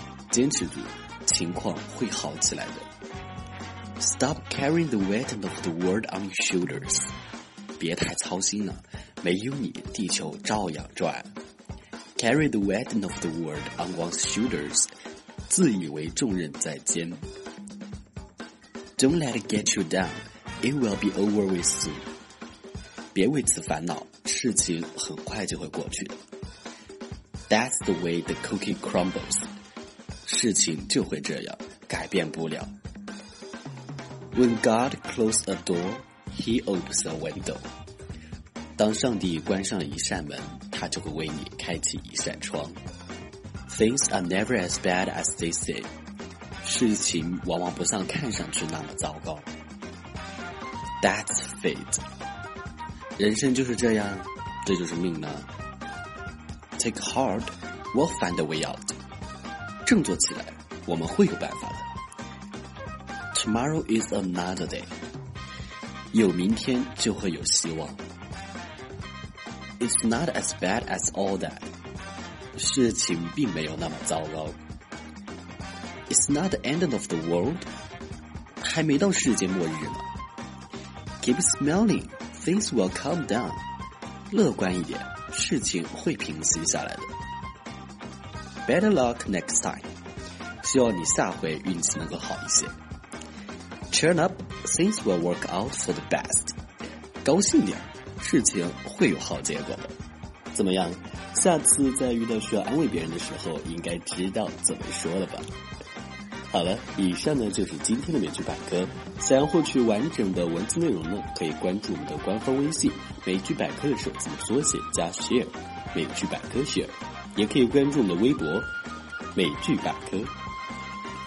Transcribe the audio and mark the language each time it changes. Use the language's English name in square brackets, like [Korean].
[Chinese] 坚持住。情况会好起来的。 [English] Stop carrying the weight of the world on your shoulders. [Chinese] 别太操心了，没有你，地球照样转。 [English] Carry the weight of the world on one's shoulders. [Chinese] 自以为重任在肩。 [English] Don't let it get you down. It will be over with soon. [Chinese] 别为此烦恼，事情很快就会过去的。 [English] That's the way the cookie crumbles. [Chinese] 事情就会这样，改变不了。 [English] When God closed a door, He opens a window. [Chinese] 当上帝关上一扇门，他就会为你开启一扇窗。 [English] Things are never as bad as they seem. [Chinese] 事情往往不像看上去那么糟糕。 [English] That's fate. [Chinese] 人生就是这样，这就是命呢。 [English] Take heart, we'll find a way out. [Chinese] 振作起来，我们会有办法的。 [English] Tomorrow is another day. [Chinese] 有明天就会有希望。 [English] It's not as bad as all that. [Chinese] 事情并没有那么糟糕。 [English] It's not the end of the world. [Chinese] 还没到世界末日呢。 [English] Keep smiling, things will calm down. [Chinese] 乐观一点，事情会平息下来的。 [English] Better luck next time. [Chinese] 希望你下回运气能够好一些。 [English] Cheer up, things will work out for the best. [Chinese] 高兴点，事情会有好结果的。怎么样？下次在遇到需要安慰别人的时候，应该知道怎么说了吧？好了，以上呢就是今天的美剧百科。想要获取完整的文字内容呢，可以关注我们的官方微信“美剧百科”的首字母缩写加 share， 美剧百科 share， 也可以关注我们的微博“美剧百科”。